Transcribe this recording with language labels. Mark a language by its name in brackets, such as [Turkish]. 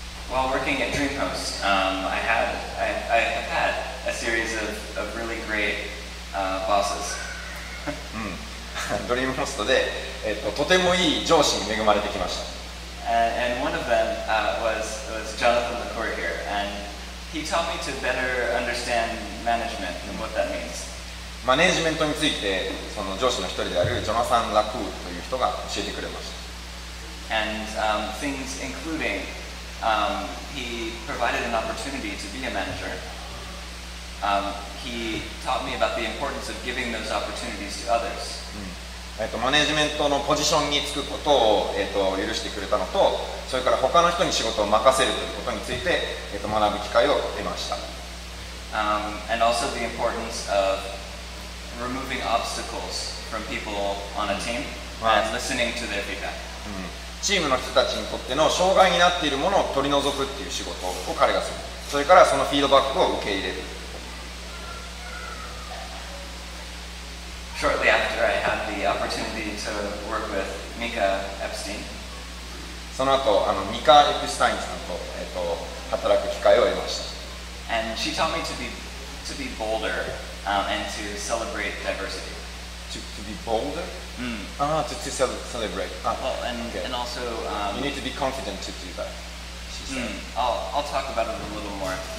[English] While working at DreamHost, I have had a series of really great bosses. [Japanese] DreamHost で、とてもいい上司に恵まれてきました。 [English] And one of them was Jonathan LaCour here, and he taught me to better understand management and what that means. [Japanese] マネジメントについてその上司の一人であるジョナサン・ラクールという人が教えてくれました。 [English] And things including, he provided an opportunity to be a manager. He taught me about the importance of giving those opportunities to others. [Japanese] マネジメントのポジションにつくことを、許してくれたのと、それから他の人に仕事を任せるということについて、学ぶ機会を得ました。 [English] And also the importance of removing obstacles from people on a team and listening to their feedback. [Japanese] チームの人たちにとっての障害になっているものを取り除くっていう仕事を彼がする。それからそのフィードバックを受け入れる。 [English] Shortly after I had the opportunity to work with Mika Epstein. [Japanese] その後、ミカ・エプスタインさんと、働く機会を得ました。 [English] And she taught me to be bolder, and to celebrate diversity. To be bolder?、 Mm. To celebrate.、 Well, okay. And also, you need to be confident to do that. She said. I'll talk about it a little more.